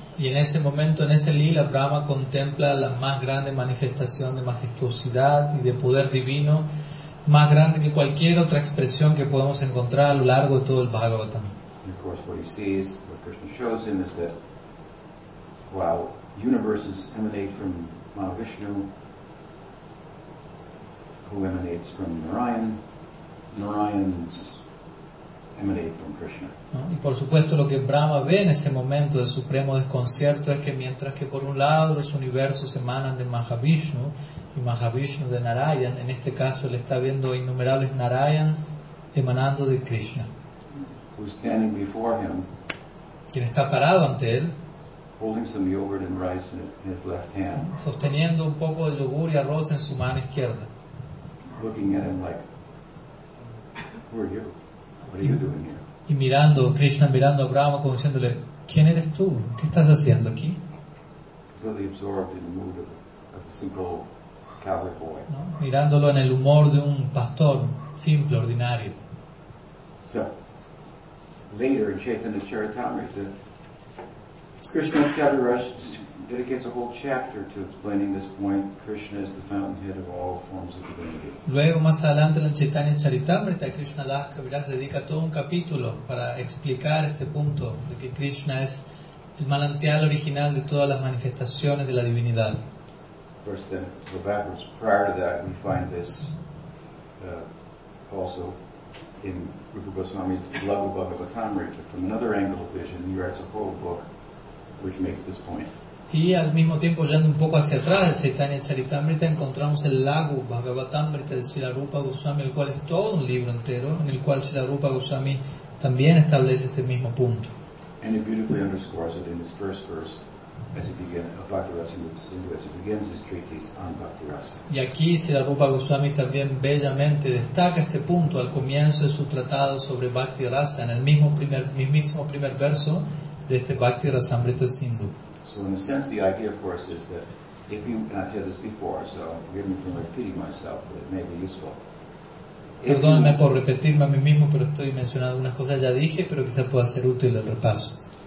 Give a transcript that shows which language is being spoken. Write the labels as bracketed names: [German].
[Spanish] Y en ese momento, en ese lila, Brahma contempla la más grande manifestación de majestuosidad y de poder divino, más grande que cualquier otra expresión que podamos encontrar a lo largo de todo el Bhagavatam. [English] And of course, what he sees, what Krishna shows him, is that while universes emanate from Mahavishnu, who emanates from Narayan's emanate from [Spanish] Krishna. Y por supuesto lo que Brahma ve en ese momento de supremo desconcierto es que mientras que por un lado los universos emanan de Mahavishnu y Mahavishnu de Narayan, en este caso él está viendo innumerables Narayans emanando de Krishna. [English] Who's standing before him, [Spanish] quien está parado ante él, [English] holding some yogurt and rice in his left hand, [Spanish] sosteniendo un poco de yogur y arroz en su mano izquierda, [English] looking at him like, who are you? What are you doing here? [Spanish] Y mirando Krishna, mirando a Brahma, como diciéndole, ¿quién eres tú? ¿Qué estás haciendo aquí? [English] Really absorbed in the mood of a simple cowherd boy. [Spanish] ¿No? Mirándolo en el humor de un pastor simple, ordinario. [English] So, later in Chaitanya Charitamrita, Krishna's Kaviraj dedicates a whole chapter to explaining this point. Krishna is the fountainhead of all forms of divinity. [Spanish] Luego, más adelante, en Chaitanya Charitamrita, Krishna Das Kaviraj dedica todo un capítulo para explicar este punto de que Krishna es el manantial original de todas las manifestaciones de la divinidad. [English] First, then, go backwards. Prior to that, we find this also in Rupa Goswami's Love Bhagavatamrita. From another angle of vision, he writes a whole book which makes this point. [Spanish] Y al mismo tiempo, yendo un poco hacia atrás del Chaitanya Charitamrita, encontramos el Lagu Bhagavatamrita de Srila Rupa Goswami, el cual es todo un libro entero, en el cual Srila Rupa Goswami también establece este mismo punto. [English] And he beautifully underscores it in his first verse, as he begins, Bhakti-rasamrita-sindhu, as he begins his treatise on Bhakti-rasa. [Spanish] Y aquí Srila Rupa Goswami también bellamente destaca este punto al comienzo de su tratado sobre Bhakti-rasa, en el mismísimo primer verso de este Bhakti-rasamrita-sindhu. [English] So in a sense, the idea, of course, is that if you, and I've said this before, so forgive me for repeating myself, but it may be useful. [Spanish] Perdóname por repetirme a mí mismo, pero estoy mencionando unas cosas ya dije, pero quizás pueda ser útil el repaso.